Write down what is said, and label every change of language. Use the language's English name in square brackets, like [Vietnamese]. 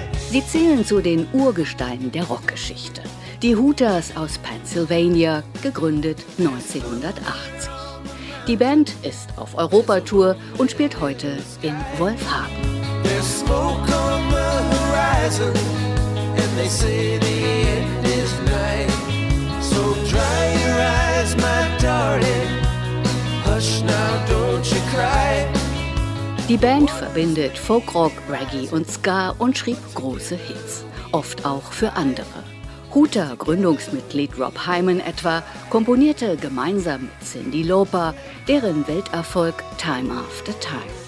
[German] Sie zählen zu den Urgesteinen der Rockgeschichte. Die Hooters aus Pennsylvania, gegründet 1980. Die Band ist auf Europatour und spielt heute in Wolfhagen. [English] There's smoke on the horizon, and they say the end is nigh. So dry your eyes, my darling, hush now, don't you cry. [German] Die Band verbindet Folkrock, Reggae und Ska und schrieb große Hits, oft auch für andere. Hooter-Gründungsmitglied Rob Hyman etwa komponierte gemeinsam mit Cyndi Lauper deren Welterfolg Time After Time.